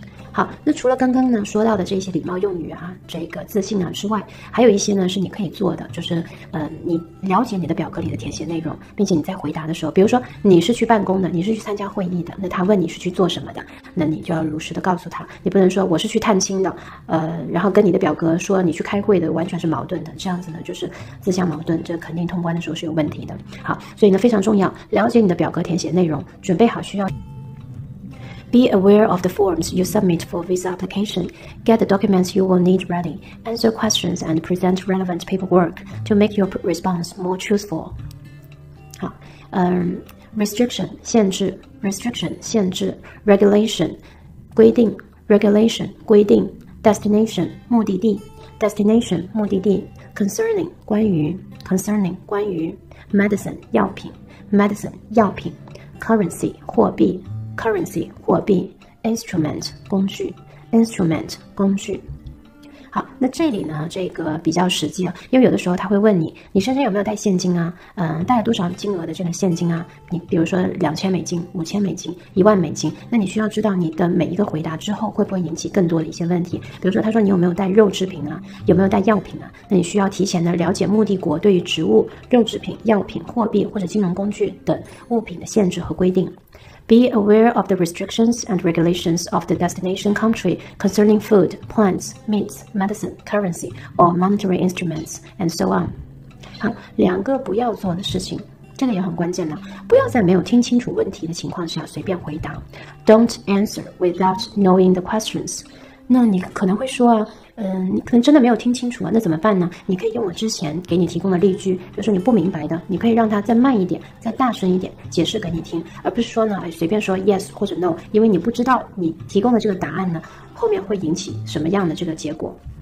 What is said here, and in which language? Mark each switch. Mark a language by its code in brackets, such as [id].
[zh] 好，那除了刚刚呢说到的这些礼貌用语啊，这个自信啊之外，还有一些呢是你可以做的，就是你了解你的表格里的填写内容，并且你在回答的时候，比如说你是去办公的，你是去参加会议的，那他问你是去做什么的，那你就要如实的告诉他，你不能说我是去探亲的，然后跟你的表格说你去开会的完全是矛盾的，这样子呢就是自相矛盾，这肯定通关的时候是有问题的。好，所以呢非常重要，了解你的表格填写内容，准备好需要。 [en] Be aware of the forms you submit for visa application. Get the documents you will need ready. Answer questions and present relevant paperwork to make your response more truthful. [zh] 好， [en] restriction [zh] 限制 ，restriction 限制 ， [en] regulation [zh] 规定 ，regulation 规定 ， [en] destination [zh] 目的地 ，destination 目的地 ， [en] concerning [zh] 关于 ，concerning 关于 ， [en] medicine [zh] 药品 ，medicine 药品 ， [en] currency [zh] 货币。 [en] Currency [zh] 货币 ， [en] instrument [zh] 工具 ，instrument 工具。好，那这里呢，这个比较实际啊，因为有的时候他会问你，你身上有没有带现金啊？带了多少金额的这个现金啊？你比如说2000美金、5000美金、10000美金，那你需要知道你的每一个回答之后会不会引起更多的一些问题。比如说他说你有没有带肉制品啊？有没有带药品啊？那你需要提前的了解目的国对于植物、肉制品、药品、货币或者金融工具等物品的限制和规定。 [en] Be aware of the restrictions and regulations of the destination country concerning food, plants, meats, medicine, currency, or monetary instruments, and so on. [zh] 好，两个不要做的事情，这个也很关键了。不要在没有听清楚问题的情况下随便回答。 [en] Don't answer without knowing the questions. [zh] 那你可能会说啊，你可能真的没有听清楚啊，那怎么办呢？你可以用我之前给你提供的例句，就是你不明白的，你可以让他再慢一点，再大声一点解释给你听，而不是说呢，随便说 [en] yes [zh] 或者 [en] no， [zh] 因为你不知道你提供的这个答案呢，后面会引起什么样的这个结果。